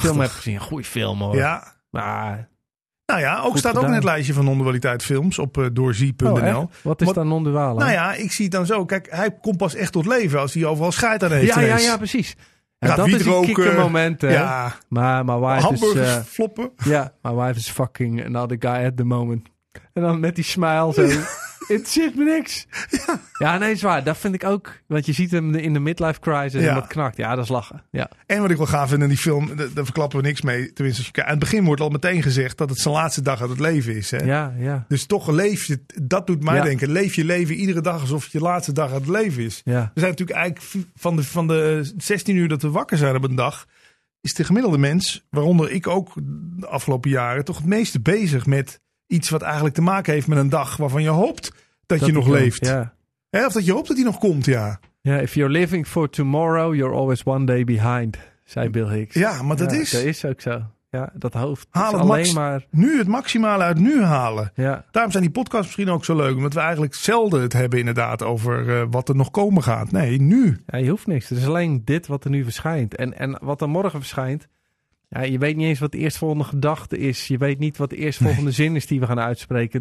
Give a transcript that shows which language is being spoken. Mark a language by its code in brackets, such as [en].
[nl] Die film heb ik gezien, een goede film, hoor. Ja? Maar... Nou ja, ook staat ook in het lijstje van non-dualiteit films op doorzie.nl. Oh, wat is dan non-duale? Nou ja, ik zie het dan zo. Kijk, hij komt pas echt tot leven als hij overal schijt aan heeft. Ja, precies. En dat is een kikkermoment. Ja. Maar [en] my wife hamburgers [nl] is... Hamburgers floppen. [en] Ja, yeah, my wife is fucking another guy at the moment. [nl] En dan met die smile zo. Het zit me niks. Ja. Ja, nee, zwaar. Dat vind ik ook. Want je ziet hem in de midlife crisis en dat knakt. Ja, dat is lachen. Ja. En wat ik wel gaaf vind in die film, daar verklappen we niks mee. Tenminste, als je aan het begin wordt al meteen gezegd dat het zijn laatste dag uit het leven is. Hè? Ja, ja. Dus toch leef je, dat doet mij denken. Leef je leven iedere dag alsof het je laatste dag uit het leven is. Ja. We zijn natuurlijk eigenlijk van de 16 uur dat we wakker zijn op een dag, is de gemiddelde mens, waaronder ik ook de afgelopen jaren, toch het meeste bezig met iets wat eigenlijk te maken heeft met een dag waarvan je hoopt dat je nog leeft. [en] Yeah. [nl] Of dat je hoopt dat die nog komt, ja. [en] Yeah, if you're living for tomorrow, you're always one day behind, [nl] zei Bill Hicks. Ja, maar dat is... Dat is ook zo. Ja, dat hoofd haal het alleen maar... Nu het maximale uit nu halen. [en] Yeah. [nl] Daarom zijn die podcasts misschien ook zo leuk, omdat we eigenlijk zelden het hebben inderdaad over wat er nog komen gaat. Nee, nu. Ja, je hoeft niks. Het is alleen dit wat er nu verschijnt. En wat er morgen verschijnt... Ja, je weet niet eens wat de eerstvolgende gedachte is. Je weet niet wat de eerstvolgende zin is die we gaan uitspreken.